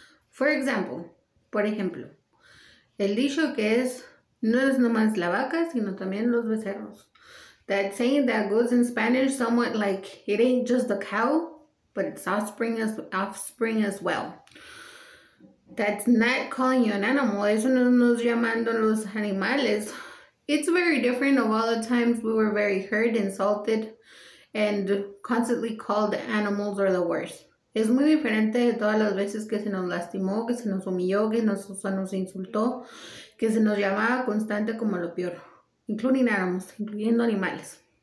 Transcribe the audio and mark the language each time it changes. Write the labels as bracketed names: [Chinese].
[English] For example, [Spanish] por ejemplo, el dicho que es, no es nomás la vaca, sino también los becerros. [English] That saying that goes in Spanish somewhat like, it ain't just the cow, but it's offspring as well. That's not calling you an animal, [Spanish] eso no nos llamando los animales. [English] It's very different of all the times we were very hurt, insulted, and constantly called animals or the worst. [Spanish] Es muy diferente de todas las veces que se nos lastimó, que se nos humilló, que nos insultó, que se nos llamaba constante como lo peor, [English] including animals, [Spanish] incluyendo animales.